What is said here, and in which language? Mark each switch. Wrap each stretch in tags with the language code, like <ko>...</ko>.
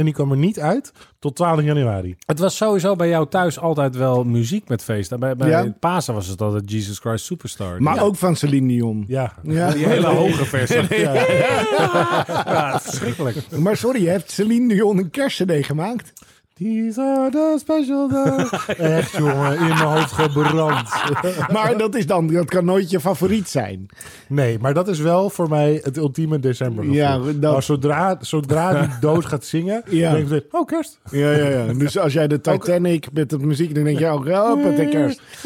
<nl>En die kwam er niet uit tot 12 januari. Het was sowieso bij jou thuis altijd wel muziek met feesten. Bij Pasen was het altijd Jesus Christ Superstar. Maar ook van Celine Dion. Ja, ja. Die hele hoge versie. Ja, verschrikkelijk. Maar sorry, je hebt Celine Dion een kerstcd gemaakt?</nl> <en>These are the special days.</en> <nl>Echt jongen, in mijn hoofd gebrand. Maar dat kan nooit je favoriet zijn. Nee, maar dat is wel voor mij het ultieme december. Ja, maar zodra die dood gaat zingen, dan denk ik, oh kerst. Ja, ja, ja. Dus als jij de Titanic met het muziek, dan denk je ook, oh, met de kerst.</nl>